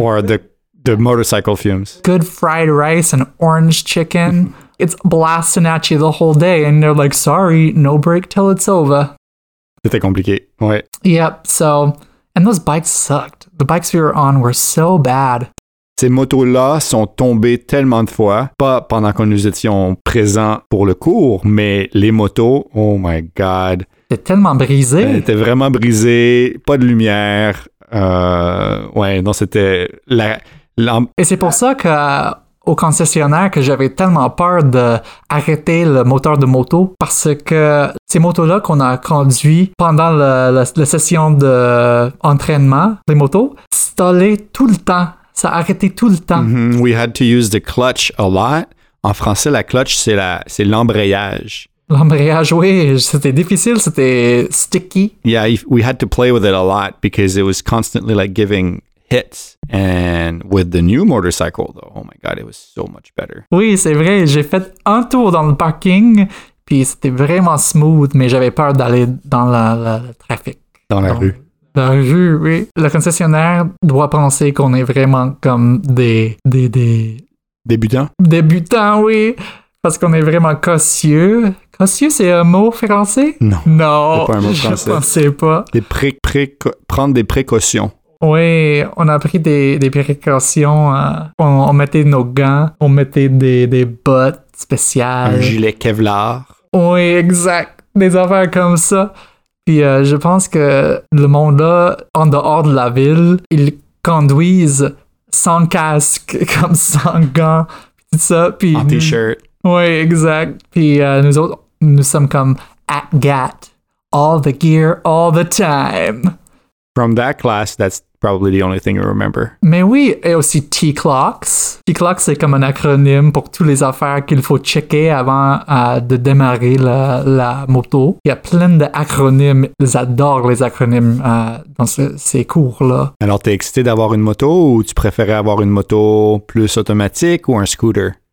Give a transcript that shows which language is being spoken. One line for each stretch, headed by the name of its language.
English: or the motorcycle fumes. Good fried rice and orange chicken. It's blasting at you the whole day, and they're like, sorry, no break till it's over.
French: C'était compliqué. Ouais.
English: Yep. So, and those bikes sucked. The bikes we were on were so bad.
French: Ces motos-là sont tombées tellement de fois, pas pendant que nous étions présents pour le cours, mais les motos,
English: oh my God.
French: C'était tellement brisé. Elles étaient vraiment brisées, pas de lumière. Ouais, non, c'était la... Et c'est pour ça qu'au concessionnaire, que j'avais tellement peur d'arrêter le moteur de moto, parce que ces motos-là qu'on a conduites pendant la session d'entraînement, les motos, stallaient tout le temps. Ça arrêtait tout le temps. Mm-hmm.
English: We had to use the clutch a lot.
French: En français, la clutch, c'est l'embrayage. L'embrayage, oui. C'était difficile. C'était sticky.
English: Yeah, we had to play with it a lot because it was constantly like giving hits. And with the new motorcycle, though, oh my God, it was so much better.
French: Oui, c'est vrai. J'ai fait un tour dans le parking, puis c'était vraiment smooth, mais j'avais peur d'aller dans le trafic. Dans la rue. La rue, oui. Le concessionnaire doit penser qu'on est vraiment comme des débutants. Débutants, oui. Parce qu'on est vraiment cossieux. Cossieux, c'est un mot français? Non. Non. C'est pas un mot français. Je pensais pas. Prendre des précautions. Oui, on a pris des précautions. Hein. On mettait nos gants. On mettait des bottes spéciales. Un gilet Kevlar. Oui, exact. Des affaires comme ça. Puis je pense que le monde-là, en dehors de la ville, ils conduisent sans casque, comme sans gants, tout ça. Puis, en t-shirt. Oui, exact. Puis nous autres, nous sommes comme
English: at GAT, all the gear, all the time. From that class, that's probably the only thing you remember.
French: Mais oui, et aussi T-Clocks. T-Clocks, c'est comme un acronyme pour toutes les affaires qu'il faut checker avant de démarrer la moto. Il y a plein d'acronymes. Ils adorent les acronymes dans ces cours-là. Alors, t'es excité d'avoir une moto ou tu préférais avoir une moto plus automatique ou un scooter?